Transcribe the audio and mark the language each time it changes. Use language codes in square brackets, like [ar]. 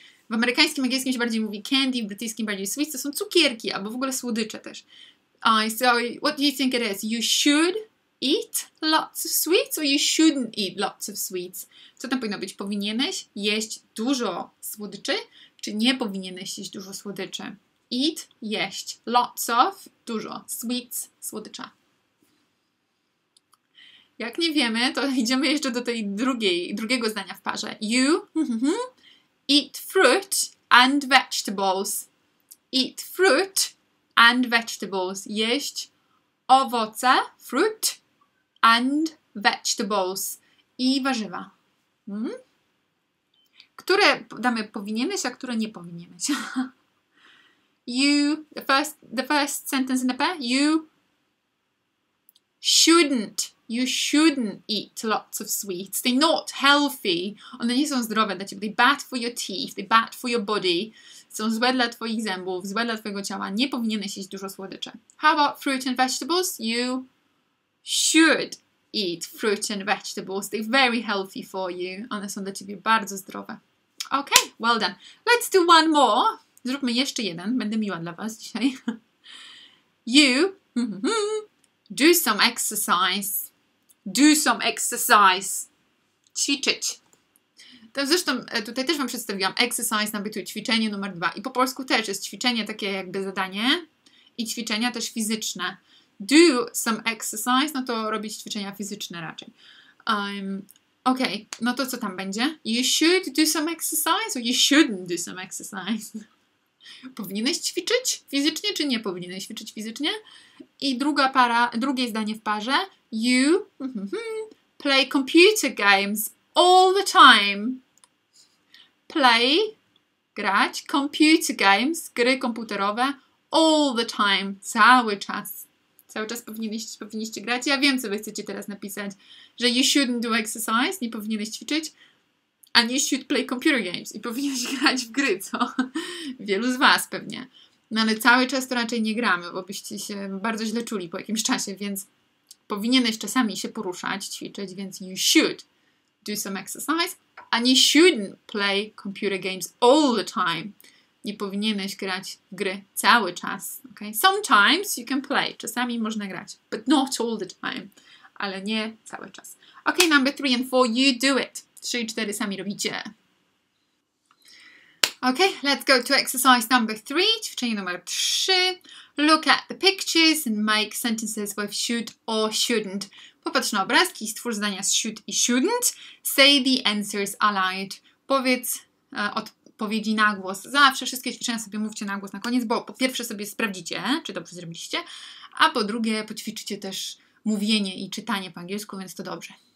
[pl] W amerykańskim, angielskim się bardziej mówi candy, w brytyjskim bardziej sweets. To są cukierki, albo w ogóle słodycze też. [en] So, what do you think it is? You should eat lots of sweets or you shouldn't eat lots of sweets? [pl] Co tam powinno być? Powinieneś jeść dużo słodyczy, czy nie powinieneś jeść dużo słodyczy? [en] Eat, jeść. Lots of, dużo. Sweets, słodycza. [pl] Jak nie wiemy, to idziemy jeszcze do tej drugiego zdania w parze. [en] You eat fruit and vegetables. Eat fruit and vegetables. [pl] Jeść owoce, [en] fruit and vegetables. [pl] I warzywa. Które damy powinieneś, a które nie powinieneś? [en] You, the first sentence in the pair, you shouldn't. You shouldn't eat lots of sweets. They're not healthy. [pl] One nie są zdrowe dla ciebie. [en] They're bad for your teeth. They're bad for your body. [pl] Są złe dla twoich zębów, złe dla twojego ciała. Nie powinieneś jeść dużo słodyczy. [en] How about fruit and vegetables? You should eat fruit and vegetables. They're very healthy for you. [pl] One są dla ciebie bardzo zdrowe. [en] Okay, well done. Let's do one more. [pl] Zróbmy jeszcze jeden. Będę miła dla was dzisiaj. [en] You do some exercise. Do some exercise. [pl] Ćwiczyć. To zresztą tutaj też wam przedstawiłam. Exercise na bytu, ćwiczenie numer dwa. I po polsku też jest ćwiczenie, takie jakby zadanie. I ćwiczenia też fizyczne. [en] Do some exercise. [pl] No to robić ćwiczenia fizyczne raczej. Okej. Okay. No to co tam będzie? [en] You should do some exercise or you shouldn't do some exercise? [pl] Powinieneś ćwiczyć fizycznie, czy nie powinieneś ćwiczyć fizycznie? I drugie zdanie w parze. [en] You play computer games all the time. Play, grać, computer games, [pl] gry komputerowe, [en] all the time, [pl] cały czas. Cały czas powinniście grać. Ja wiem, co wy chcecie teraz napisać, że [en] you shouldn't do exercise, [pl] nie powinieneś ćwiczyć. [en] And you should play computer games. [pl] I powinieneś grać w gry, co? Wielu z was pewnie. No ale cały czas to raczej nie gramy, bo byście się bardzo źle czuli po jakimś czasie, więc powinieneś czasami się poruszać, ćwiczyć, więc [en] you should do some exercise. And you shouldn't play computer games all the time. [pl] Nie powinieneś grać w gry cały czas. [en] Okay? Sometimes you can play. [pl] Czasami można grać. [en] But not all the time. [pl] Ale nie cały czas. [en] Okay, number 3 and 4. You do it. [pl] 3 i 4 sami robicie. [en] Okay, let's go to exercise number 3. [pl] Ćwiczenie numer 3. [en] Look at the pictures and make sentences with should or shouldn't. [pl] Popatrz na obrazki, stwórz zdania z should i shouldn't. [en] Say the answers aloud. [pl] Powiedz odpowiedzi na głos. Zawsze wszystkie ćwiczenia sobie mówcie na głos na koniec, bo po pierwsze sobie sprawdzicie, czy dobrze zrobiliście, a po drugie poćwiczycie też mówienie i czytanie po angielsku, więc to dobrze.